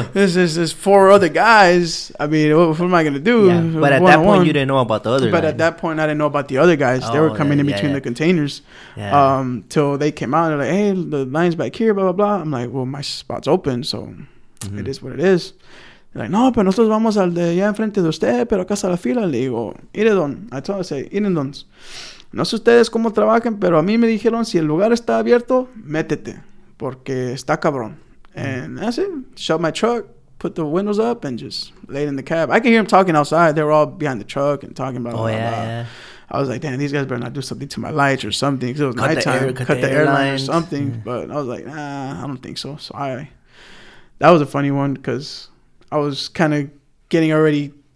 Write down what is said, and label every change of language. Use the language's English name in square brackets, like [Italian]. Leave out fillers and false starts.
[English] There's 4 other guys. I mean, what am I going to do? Yeah, but at that point, you didn't know about the other guys. At that point, I didn't know about the other guys. Oh, they were coming in between the containers. Yeah. Till they came out, they're like, hey, the line's back here, blah, blah, blah. I'm like, well, my spot's open, so it is what it is. They're like, no, [Spanish] pero nosotros vamos al de allá enfrente de usted, pero acá está la fila. Le digo, ire don. [English] I told him, I say, [Spanish] ire don. No sé ustedes cómo trabajan, pero a mí me dijeron, si el lugar está abierto, métete, porque está cabrón. [English] And that's it. Shut my truck, put the windows up, and just laid in the cab. I can hear them talking outside. They were all behind the truck and talking about I was like, damn, these guys better not do something to my lights or something. It was cut nighttime. Cut the airline or something. Yeah. But I was like, nah, I don't think so. So that was a funny one because I was kind of getting already